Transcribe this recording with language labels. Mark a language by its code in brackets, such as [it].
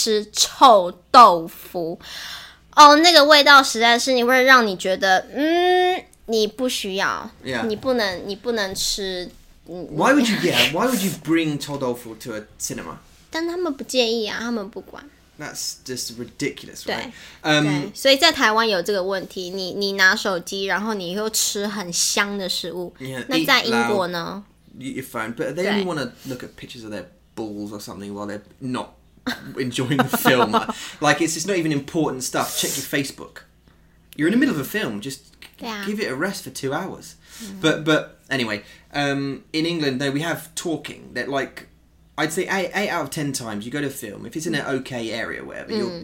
[zh] 我有遇到有人在电影院吃臭豆腐, 哦, 那个味道实在是, 你会让你觉得, 嗯, 你不需要, [en] yeah. [zh] 你不能, 你不能吃, [en] why would you, yeah, why would you bring 臭豆腐 to a cinema? [zh] 但他们不介意啊, 他们不管。 [en] That's just ridiculous, right? [zh] 对, 所以在台湾有这个问题, 你拿手机, 然后你又吃很香的食物, [en] yeah, [zh] 那在英国呢? [en] Loud, your phone, but they only want to look at pictures of their balls or something while they're not enjoying the film. Like, it's not even important stuff. Check your Facebook. You're in the middle of a film, just give it a rest for 2 hours. Mm. But anyway, in England, though, we have talking that, like, I'd say 8 out of 10 times you go to a film, if it's in an okay area, whatever, mm.